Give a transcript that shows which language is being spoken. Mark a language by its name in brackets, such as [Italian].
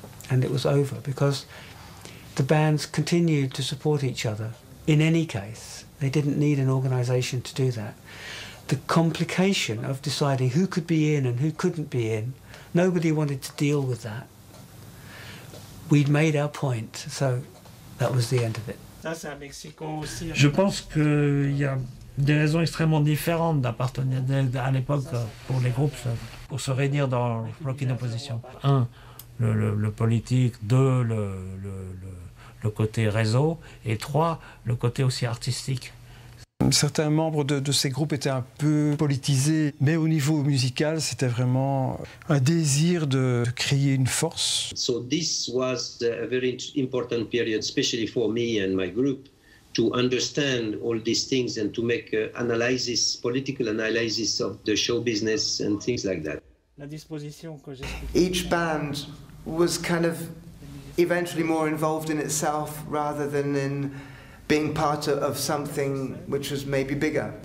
[English] And it was over because the bands continued to support each other. In any case, they didn't need an organization to do that. The complication of deciding who could be in and who couldn't be in, nobody wanted to deal with that. We'd made our point, so that was the end of it. [French] Je pense qu'il y a des raisons extrêmement différentes d'appartenir à l'époque pour les groupes, pour se réunir dans le Rock in Opposition. Un, le politique. Deux, le côté réseau. Et trois, le côté aussi artistique. Certains membres de ces groupes étaient un peu politisés, mais au niveau musical, c'était vraiment un désir de créer une force. [English] So this was a very important period, especially for me and my group, to understand all these things and to make analysis, political analysis of the show business and things like that. [French] La disposition que j'ai... [English] Each band was kind of eventually more involved in itself rather than in being part of something which was maybe bigger.